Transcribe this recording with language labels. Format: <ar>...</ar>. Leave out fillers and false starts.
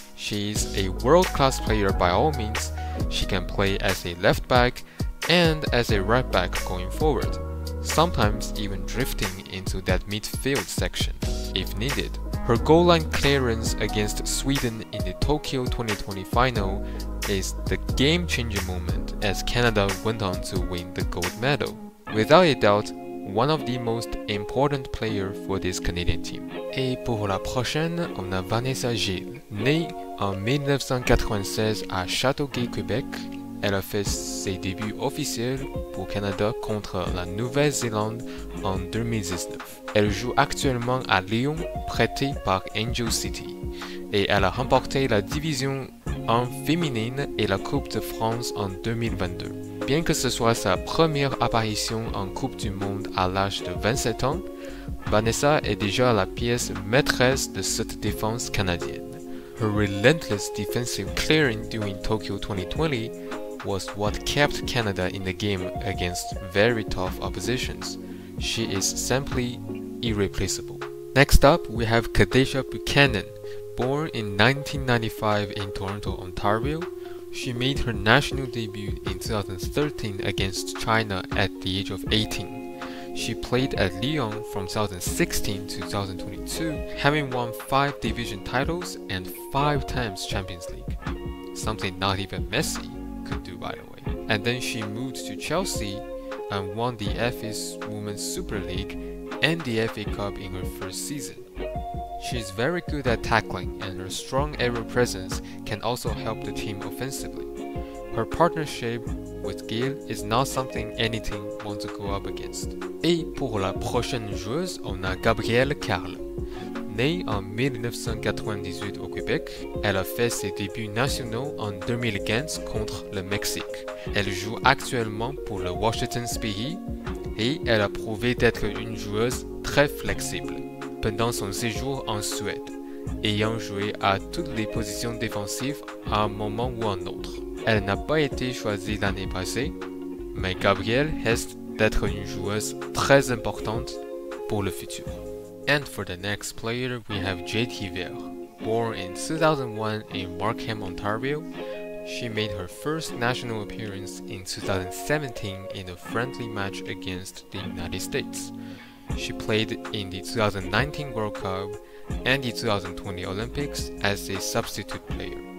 <en>She is a world-class player by all means. She can play as a left back and as a right back going forward, sometimes even drifting into that midfield section if needed. Her goal line clearance against Sweden in the Tokyo 2020 final is the game-changing moment as Canada went on to win the gold medal. Without a doubt, one of the most important players for this Canadian team.</en> <fr>Et pour la prochaine, on a Vanessa Gilles. Née en 1996 à Châteauguay, Québec, elle a fait ses débuts officiels pour Canada contre la Nouvelle-Zélande en 2019. Elle joue actuellement à Lyon, prêtée par Angel City. Et elle a remporté la division en féminine et la Coupe de France en 2022. Bien que ce soit sa première apparition en Coupe du Monde à l'âge de 27 ans, Vanessa est déjà la pièce maîtresse de cette défense canadienne.</fr> <en>Her relentless defensive clearing during Tokyo 2020 was what kept Canada in the game against very tough oppositions. She is simply irreplaceable. Next up, we have Kadesha Buchanan. Born in 1995 in Toronto, Ontario, she made her national debut in 2013 against China at the age of 18. She played at Lyon from 2016 to 2022, having won 5 division titles and 5 times Champions League, something not even Messi could do, by the way. And then she moved to Chelsea and won the FA's Women's Super League and the FA Cup in her first season. She's very good at tackling, and her strong aerial presence can also help the team offensively. Her partnership with Gil is not something any team wants to go up against.</en> <fr>Et pour la prochaine joueuse, on a Gabrielle Carle. Née en 1998 au Québec, elle a fait ses débuts nationaux en 2015 contre le Mexique. Elle joue actuellement pour le Washington Spirit et elle a prouvé d'être une joueuse très flexible. Pendant son séjour en Suède, ayant joué à toutes les positions défensives à un moment ou un autre. Elle n'a pas été choisie l'année passée, mais Gabrielle reste d'être une joueuse très importante pour le futur.</fr> <en>And for the next player, we have JT Ver. Born in 2001 in Markham, Ontario, she made her first national appearance in 2017 in a friendly match against the United States. She played in the 2019 World Cup and the 2020 Olympics as a substitute player.</en>